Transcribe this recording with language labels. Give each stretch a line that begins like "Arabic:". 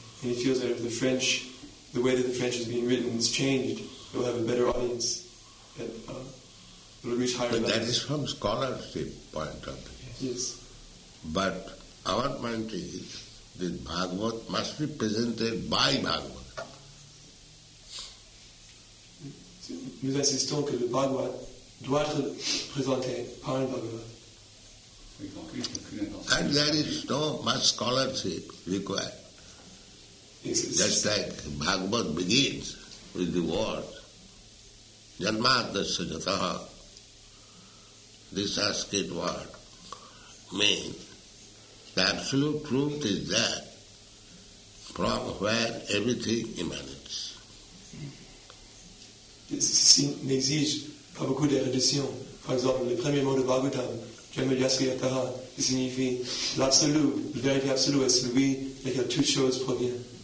English: And he feels that if the French, the way that the French is being written is changed, it will have a better audience, that it will reach higher levels. But that is from scholarship point of view. Yes. But our point is that Bhagavad must be presented by Bhagavad.
French: Nous insistons que le Bhagavad doit être présenté par le Bhagavad.
English: And there is no much scholarship required. Just like Bhagavad begins with the word Janmadasya Jataha. This Sanskrit word means the absolute truth is that from where everything emanates.
French: Ceci n'exige pas beaucoup d'érudition. Par exemple, le premier mot de Bhagavatam, Janmadasya Jataha, signifie l'absolu, la vérité absolue est celui de laquelle toute chose provient.